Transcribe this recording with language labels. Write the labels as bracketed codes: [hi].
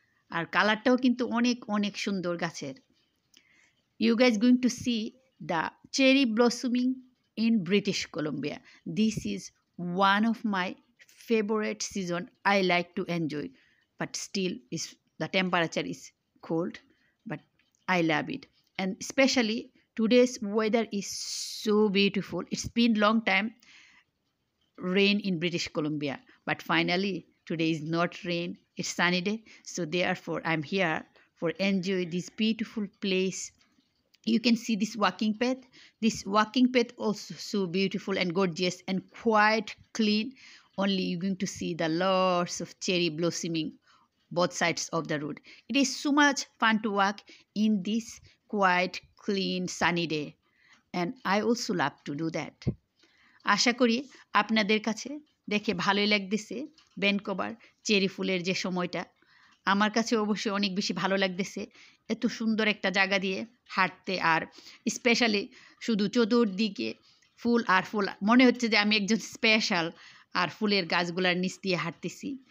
[bn] আর কালারটাও কিন্তু অনেক অনেক সুন্দর গাছের। [en] You guys going to see the cherry blossoming in British Columbia, this is one of my favourite season, I like to enjoy, but still is the temperature is cold, but I love it. And specially Today's weather is so beautiful. It's been long time rain in British Columbia, but finally today is not rain, it's sunny day. So therefore I'm here for enjoy this beautiful place. You can see this walking path. This walking path also so beautiful and gorgeous and quite clean. Only you're going to see the lots of cherry blossoming both sides of the road. It is so much fun to walk in this quite clean sunny day and I also love to do that. [bn] আশা করি আপনাদের কাছে দেখে ভালোই লাগতেছে Vancouver cherry ফুলের যে সময়টা, আমার কাছে অবশ্যই অনেক বেশি ভালো লাগতেছে এত সুন্দর একটা জায়গা দিয়ে হাঁটতে, আর স্পেশালি শুধু চতুর্দিকে ফুল আর ফুল, মনে হচ্ছে যে আমি একজন স্পেশাল, আর ফুলের গাছগুলার নিচ দিয়ে হাঁটতেছি।